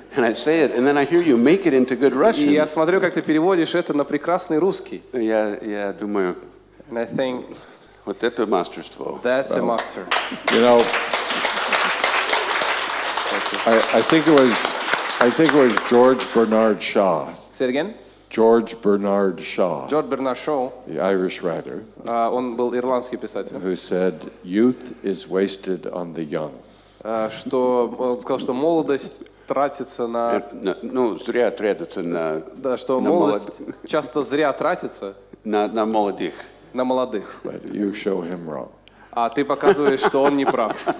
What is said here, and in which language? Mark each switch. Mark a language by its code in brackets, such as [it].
[en] And I say it, and then I hear you make it into good Russian. [ru] И я смотрю, как ты переводишь это на прекрасный русский. Я думаю. [en] And I think. [ru] Вот это мастерство. [en] That's a master. You know. I think it was George Bernard Shaw. Say it again. George Bernard Shaw. George Bernard Shaw. The Irish writer. [ru] Он был ирландский писатель. [en] Who said youth is wasted on the young? [ru] Что он сказал, что молодость тратится на. Ну зря тратится на. Да, что молодость часто зря тратится. На молодых. На молодых. [en] But you show him wrong. [ru] А ты показываешь, что он не прав.